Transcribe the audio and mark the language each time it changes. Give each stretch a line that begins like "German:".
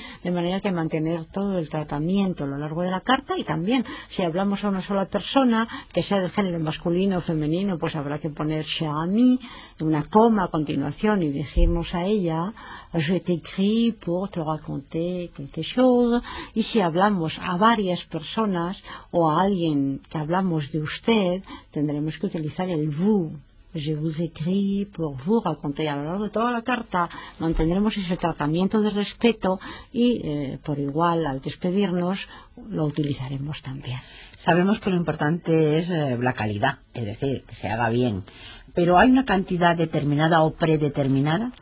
Spanish: De manera que mantener todo el tratamiento a lo largo de la carta y también si hablamos a una sola persona, que sea de género masculino o femenino, pues habrá que ponerse a mí una coma a continuación y dirigirnos a ella,
French: je t'écris pour te raconter quelque chose,
Spanish: y si hablamos a varias personas o a alguien que hablamos de usted, tendremos que utilizar el vous.
French: Je vous écris pour vous raconter.
Spanish: A lo largo de toda la carta mantendremos ese tratamiento de respeto y por igual al despedirnos lo utilizaremos también. Sabemos que lo importante es la calidad, es decir, que se haga bien. ¿Pero hay una cantidad determinada o predeterminada?